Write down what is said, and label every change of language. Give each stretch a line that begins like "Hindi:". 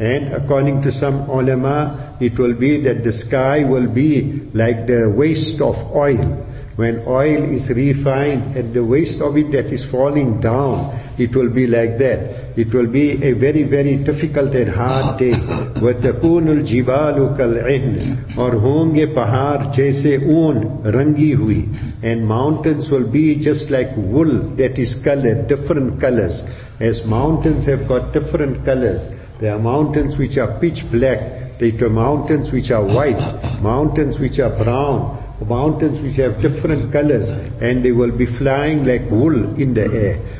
English: And according to some ulama, it will be that the sky will be like the waste of oil. When oil is refined and the waste of it that is falling down, it will be like that. It will be a very, very difficult and hard day.
Arabic: وَتَكُونُ الْجِبَالُ كَالْعِهْنِ
Urdu: اور ہوں گے پہار جیسے اون رنگی ہوئی.
English: And mountains will be just like wool that is colored, different colors. As mountains have got different colors, there are mountains which are pitch black, there are mountains which are white, mountains which are brown, mountains which have different colors, and they will be flying like wool in the air.